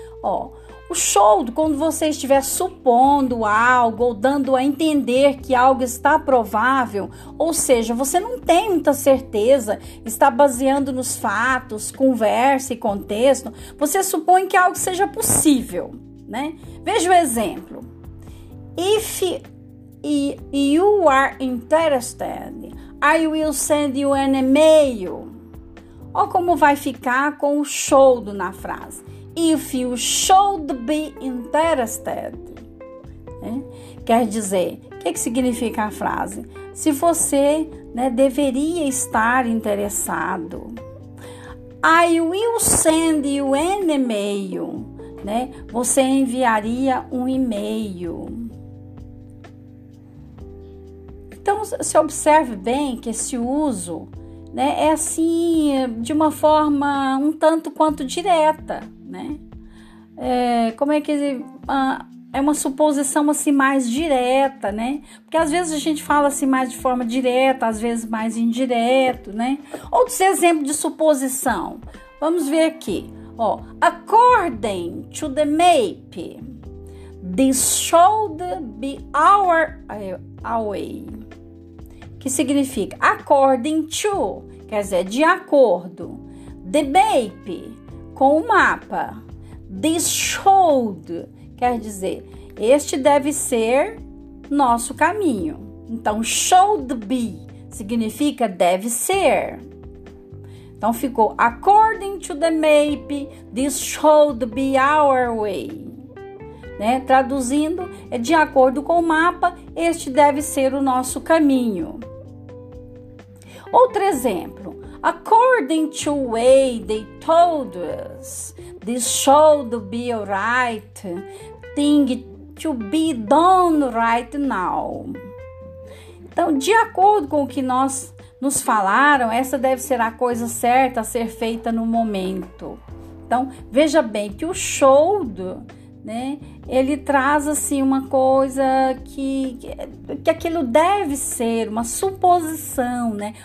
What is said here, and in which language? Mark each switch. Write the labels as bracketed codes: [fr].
[pt] Ó, o should, quando você estiver supondo algo ou dando a entender que algo está provável, ou seja, você não tem muita certeza, está baseando nos fatos, conversa e contexto, você supõe que algo seja possível, né? Veja o exemplo. [en] If you are interested, I will send you an email. [pt] Olha como vai ficar com o should na frase. [en] If you should be interested, [pt] né? Quer dizer, o que significa a frase? Se você, né, deveria estar interessado. [en] I will send you an email, né? [pt] Você enviaria um e-mail. Então, se observe bem que esse uso, né, é assim, de uma forma um tanto quanto direta, né? É uma suposição assim mais direta, né? Porque às vezes a gente fala assim mais de forma direta, às vezes mais indireto, né? Outros exemplos de suposição. Vamos ver aqui. [en] Ó, according to the map, this should be our way. [pt] Que significa? [en] According to, [pt] quer dizer, de acordo. [en] The map, [pt] com o mapa. [en] This should, [pt] quer dizer, este deve ser nosso caminho. Então, should be, significa deve ser. Então ficou: [en] according to the map, this should be our way. [pt] Né? Traduzindo, é de acordo com o mapa, este deve ser o nosso caminho. Outro exemplo: [en] according to the way they told us, this should be right thing to be done right now. [pt] Então, de acordo com o que nós nos falaram, essa deve ser a coisa certa a ser feita no momento. Então, veja bem que o should, né, ele traz assim uma coisa que aquilo deve ser, uma suposição, né?